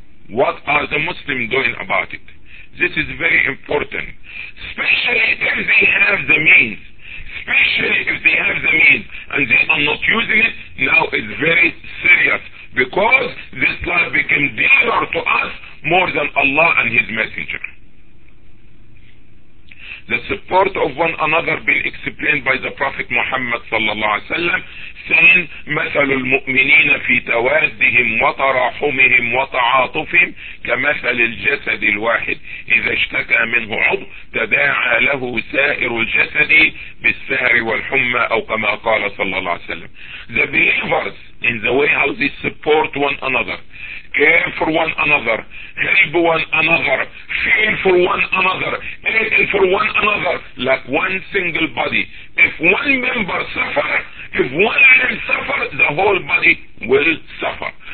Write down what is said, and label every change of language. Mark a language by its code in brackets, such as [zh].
[en] What are the Muslims doing about it? This is very important. Especially if they have the means. Especially if they have the means and they are not using it, now it's very serious. Because this life became dearer to us more than Allah and His Messenger. The support of one another been explained by the Prophet Muhammad sallallahu alaihi wasallam, saying, [ar] مَثَلُ الْمُؤْمِنِينَ فِي تَوَادِّهِمْ وَتَرَحُمِهِمْ وَتَعَاطُفِهِمْ كَمَثَلِ الْجَسَدِ الْوَاحِدِ إِذَا اشْتَكَى مِنْهُ عُضُوٌ تَدَاعَى لَهُ سَائِرُ الْجَسَدِ بِالسَّهَرِ وَالْحُمَّى أَوْ كَمَا قَالَ صَلَّى اللَّهُ عَلَيْهِ وَسَلَّمَ. [en] The believers, in the way how they support one another, care for one another, help one another, feel for one another, aid for one another, like one single body. If one member suffer, if one limb suffer, the whole body will suffer.